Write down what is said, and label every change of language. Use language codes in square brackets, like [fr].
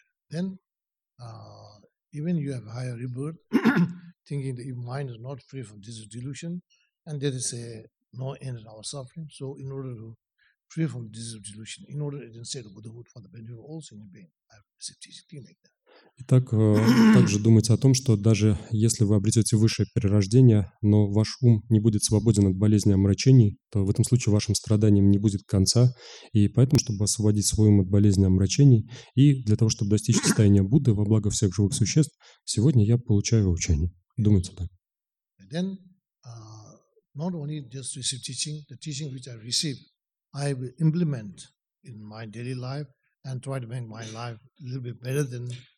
[en] Then, even you have higher rebirth, thinking that your mind is not free from this delusion, and there is a no end in our suffering. So, in order to free from this delusion, in order to say the Buddhahood for the benefit of all sentient beings, I have received teaching like that. [ru] Итак, также думайте о том, что даже если вы обретете высшее перерождение, но ваш ум не будет свободен от болезни омрачений, то в этом случае вашим страданиям не будет конца. И поэтому, чтобы освободить свой ум от болезни омрачений и для того, чтобы достичь состояния Будды во благо всех живых существ, сегодня я получаю учение. Думайте так. [en] Then, not only just receive teaching, the teaching which I receive, I will implement in my daily life and try to make my life a little bit better than.